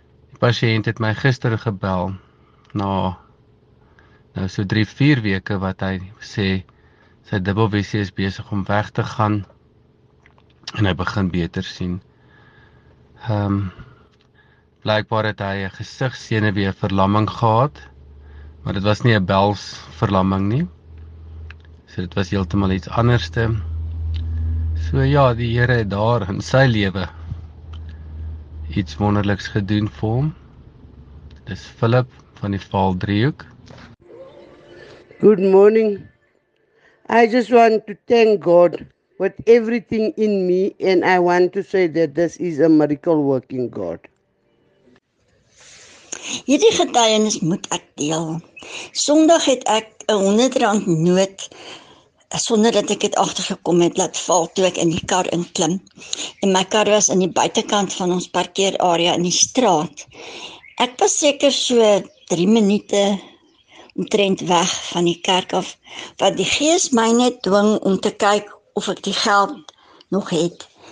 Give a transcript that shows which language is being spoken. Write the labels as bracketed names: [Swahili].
[Afrikaans] Die pasiënt het my gister gebel na so 3-4 weke wat hy sê sy dubbelvisie is besig om weg te gaan en hy begin beter sien. Blykbaar het hy 'n gesigsenuweeverlamming gehad, maar dit was nie 'n Bell's verlamming nie. So dit was heeltemal iets anderste. So ja, die Here het daar in sy lewe iets wonderliks gedoen vir hom. Dis Philip van die Vaal Driehoek. [English] Good morning. I just want to thank God with everything in me and I want to say that this is a miracle working God. [Afrikaans] Hierdie getuienis moet ek deel. Sondag het ek 'n R100 noot sonder dat ek het agtergekom het laat val toe ek in die kar inklim. En my kar was aan die buitekant van ons parkeerarea in die straat. Ek was seker so 3 minute omtrent weg van die kerk af, wat die Gees my net dwing om te kyk of ek die geld nog het.